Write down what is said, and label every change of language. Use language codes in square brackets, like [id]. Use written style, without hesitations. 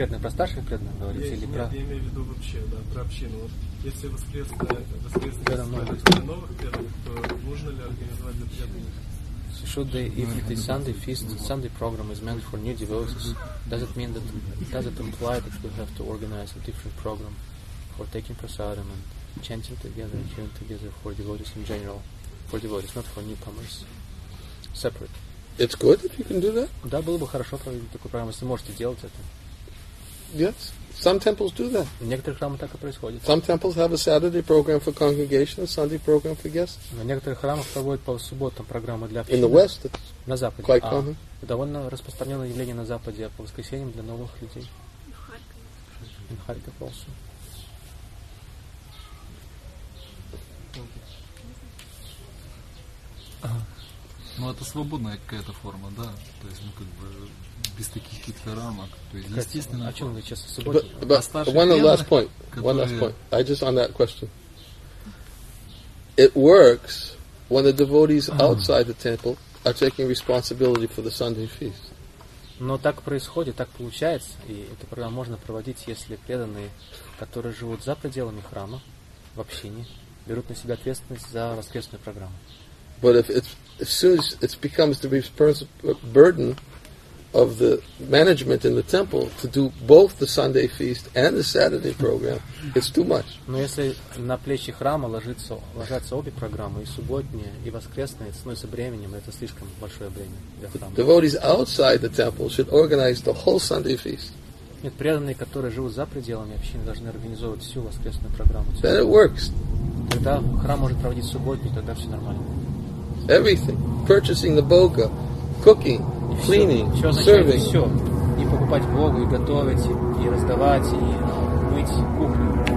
[ru] Старших преданных говорите или про? Нет, я имею в виду вообще, да, про общину. Вот если воскресная новых преданных, то можно ли организовать для преданных? [en] Should they if the Sunday feast, Sunday program is meant for new devotees, does it imply that we have to organize a different program for taking prasadam and chanting together and hearing together for devotees in general, for devotees, not for newcomers, separate? It's good if you can do that. [ru] Да, было бы хорошо провести такую программу, если можете делать это. [en] Yes, some temples do that. [ru] В некоторых храмах так и происходит. [en] Some temples have a Saturday program for congregation, a Sunday program for guests. [ru] В некоторых храмах проводят по субботам программы для общины. [en] In the West, it's [ru] на западе. [en] Quite common. [ru] Довольно распространенное явление на западе, а по воскресеньям для новых людей. [en] In Kharkiv. In Kharkiv also. [ru] Ну это свободная какая-то форма, да. То есть мы как бы без таких каких-то рамок. То есть, естественно, о чем вы сейчас в субботе? [en] One last point. I just on that question. It works when the devotees outside the temple are taking responsibility for the Sunday feast. [ru] Но так происходит, так получается, и эту программу можно проводить, если преданные, которые живут за пределами храма, в общине, берут на себя ответственность за воскресную программу. [en] But if it's as soon as it becomes the burden of the management in the temple to do both the Sunday feast and the Saturday program, it's too much. [ru] Но если на плечи храма ложатся обе программы, и субботняя, и воскресная, становится бременем, это слишком большое бремя для храма. [en] Devotees outside the temple should organize the whole Sunday feast. [ru] Нет, преданные, которые живут за пределами общины, должны организовывать всю воскресную программу. [en] Then it works. [ru] Тогда храм может проводить субботнюю, тогда все нормально. [en] Everything, purchasing the boga, cooking, cleaning, [ru] все, все [en] serving. [ru] Все. И покупать богу, и готовить, и раздавать, и мыть кухню.